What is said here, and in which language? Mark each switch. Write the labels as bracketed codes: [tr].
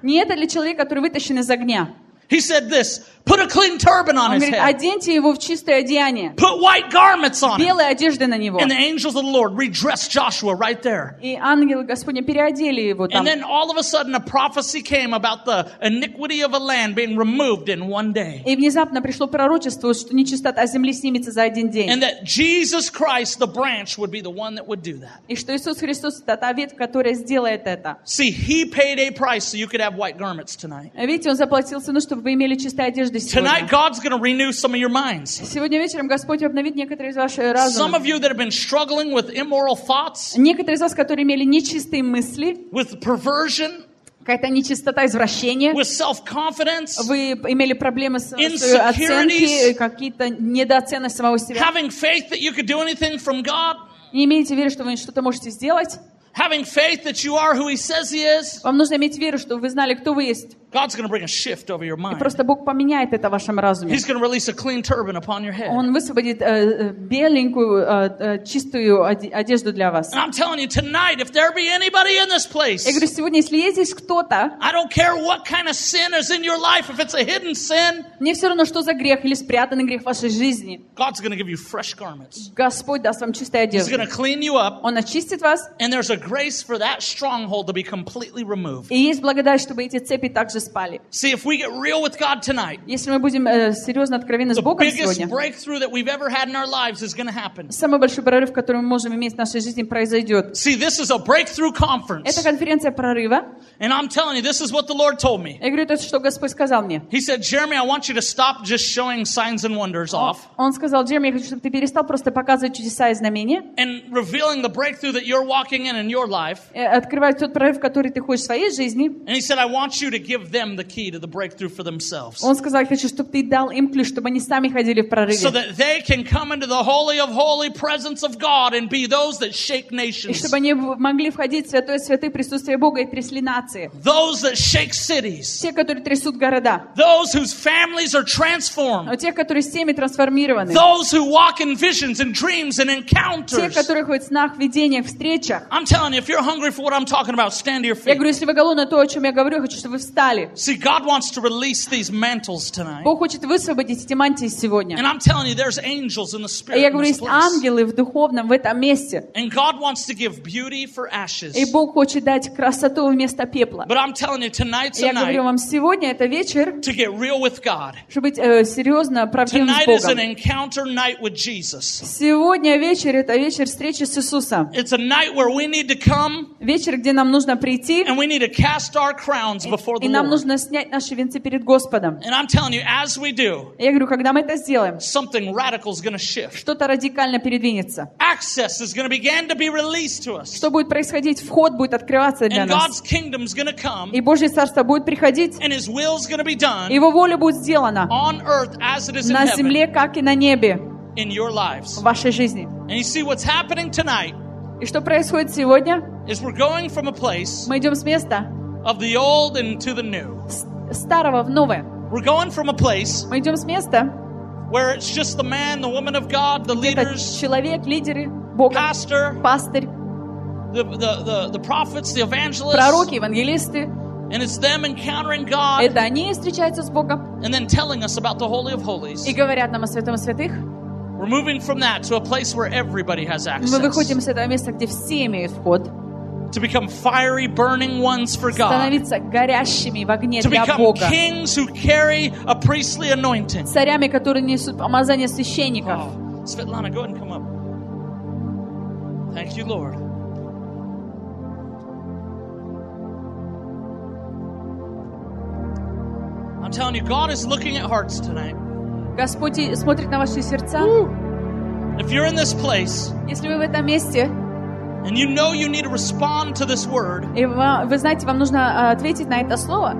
[ru] Не это ли человек, который вытащен из огня? [en] He said this, put a clean turban on [ru] говорит, [en] his head. [ru] Оденьте его в чистое одеяние. [en] Put white garments on him. [ru] Белые одежды на него. [en] And the angels of the Lord redressed Joshua right there. [ru] И ангелы Господни переодели его там. [en] And then all of a sudden a prophecy came about the iniquity of a land being removed in one day. [ru] И внезапно пришло пророчество, что нечистота земли снимется за один день. [en] And that Jesus Christ, the branch, would be the one that would do that. [ru] И что Иисус Христос, та ветвь, которая сделает это. [en] See, he paid a price so you could have white garments tonight. [ru] Видите, он заплатил цену, чтобы вы имели чистые одежды сегодня. Сегодня вечером Господь обновит некоторые из ваших разумов. [en] Some of you that have been struggling with immoral thoughts. [ru] Некоторые из вас, которые имели нечистые мысли. [en] With perversion. [ru] Какая-то нечистота, извращение. [en] With self-confidence. [ru] Вы имели проблемы с оценкой, какие-то недооценки самого себя. [en] Having faith that you could do anything from God. [ru] Не имеете веры, что вы что-то можете сделать. [en] Having faith that you are who He says He is. [ru] Вам нужно иметь веру, чтобы вы знали, кто вы есть. [en] God's going to bring a shift over your mind. [ru] И просто Бог поменяет это в вашем разуме. [en] He's going to release a clean turban upon your head. [ru] Он высвободит беленькую чистую одежду для вас. [en] And I'm telling you tonight, if there be anybody in this place. [ru] Я говорю сегодня, если есть здесь кто-то. [en] I don't care what kind of sin is in your life, if it's a hidden sin. [ru] Мне все равно, что за грех или спрятанный грех в вашей жизни. [en] God's going to give you fresh garments. [ru] Господь даст вам чистую одежду. [en] He's going to clean you up. [ru] Он очистит вас. [en] And there's a grace for that stronghold to be completely removed. [ru] И есть благодать, чтобы эти цепи также спали. [en] See, if we get real with God tonight, [ru] если мы будем серьезно откровенны с Богом сегодня, [en] the biggest breakthrough that we've ever had in our lives is going to happen. [ru] Самый большой прорыв, который мы можем иметь в нашей жизни, произойдет. [en] See, this is a breakthrough conference. [ru] Это конференция прорыва. [en] And I'm telling you, this is what the Lord told me. [ru] Я говорю, это что Господь сказал мне. [en] He said, Jeremy, I want you to stop just showing signs and wonders off. [ru] Он сказал, Джереми, я хочу, чтобы ты перестал просто показывать чудеса и знамения. [en] And revealing the breakthrough that you're walking in your life. [ru] Открывать тот прорыв, который ты хочешь в своей жизни. [en] And he said, I want you to give them the key to the breakthrough for themselves. [ru] Он сказал, я хочу, чтобы ты дал им ключ, чтобы они сами ходили в прорыве. [en] So that they can come into the holy of holy presence of God and be those that shake nations. [ru] И чтобы они могли входить в святое святых присутствие Бога и трясли нации. [en] Those that shake cities. [ru] Те, которые трясут города. [en] Those whose families are transformed. [ru] Те, которые семьи трансформированы. [en] Those who walk in visions and dreams and encounters. [ru] Те, которые ходят в снах, видениях, встречах. [en] I'm telling you, if you're hungry for what I'm talking about, stand to your feet. [ru] Я говорю, если вы голодны, то о чем я говорю, я хочу, чтобы вы встали. [en] See, God wants to release these mantles tonight. [ru] Бог хочет высвободить эти мантии сегодня. [en] And I'm telling you, there's angels in the spirit. [ru] Я говорю, есть ангелы в духовном в этом месте. [en] And God wants to give beauty for ashes. [ru] И Бог хочет дать красоту вместо пепла. [en] But I'm telling you, tonight's a night. [ru] Я говорю вам сегодня это вечер. [en] To get real with God. [ru] Чтобы быть серьезно правдивым с Богом. [en] Tonight is an encounter night with Jesus. [ru] Сегодня вечер это вечер встречи с Иисусом. [en] It's a night where we need to come. [ru] Вечер, где нам нужно прийти. [en] And we need to cast our crowns before the Lord. [ru] И нам нужно снять наши венцы перед Господом. [en] And I'm telling you, as we do. [ru] Я говорю, когда мы это сделаем. [en] Something radical is going to shift. [ru] Что-то радикально передвинется. [en] Access is going to begin to be released to us. [ru] Что будет происходить? Вход будет открываться для нас. [en] And God's kingdom. Is going to come, [ru] и Божье царство будет приходить, [en] and His will is going to be done, [ru] Его воля будет сделана [en] on earth as it is [ru] на земле, [en] heaven, [ru] как и на небе, [en] in your lives. [ru] В вашей жизни. [en] And you see what's happening tonight, [ru] и что происходит сегодня? [en] Is we're going from a place, [ru] мы идем с места [en] of the old into the new. [ru] Старого в новое. [en] We're going from a place, [ru] мы идем с места, [en] where it's just the man, the woman of God, the leaders, [ru] человек, лидеры, Бога, [en] pastor, [ru] пастырь, [en] the prophets, the evangelists, [ru] пророки, евангелисты, [en] and it's them encountering God. [ru] Это они встречаются с Богом. [en] And then telling us about the Holy of Holies. [ru] И говорят нам о святом святых. [en] We're moving from that to a place where everybody has access. [ru] Мы выходим с этого места, где все имеют вход. [en] To become fiery, burning ones for God. [ru] Становиться горящими в огне для Бога. [en] To become kings who carry a priestly anointing. [ru] Царями, которые несут помазание священников. [en] Светлана, go ahead and come up. Thank you, Lord. I'm telling you, God is looking at hearts tonight. [ru] Господь смотрит на ваши сердца. [en] If you're in this place, [ru] если вы в этом месте, [en] and you know you need to respond to this word, [ru] и вы знаете, вам нужно ответить на это слово.